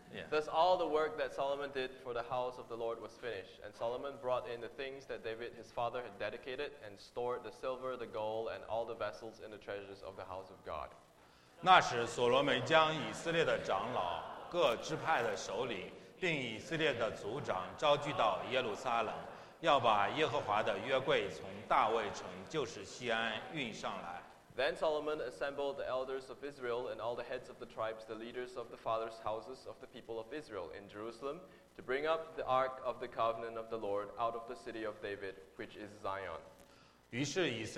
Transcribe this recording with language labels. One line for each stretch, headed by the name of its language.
English: Thus all the work that Solomon did for the house of the Lord was finished, and Solomon brought in the things that David his father had dedicated, and stored the silver, the gold, and all the vessels in the treasures of the house of God.
Chinese: 那时所罗门将以色列的长老、各支派的首领，并以色列的族长召聚到耶路撒冷，要把耶和华的约柜从大卫城，就是西安运上来。
English: Then Solomon assembled the elders of Israel and all the heads of the tribes, the leaders of the fathers' houses of the people of Israel in Jerusalem, to bring up the Ark of the Covenant of the Lord out of the city of David, which is Zion.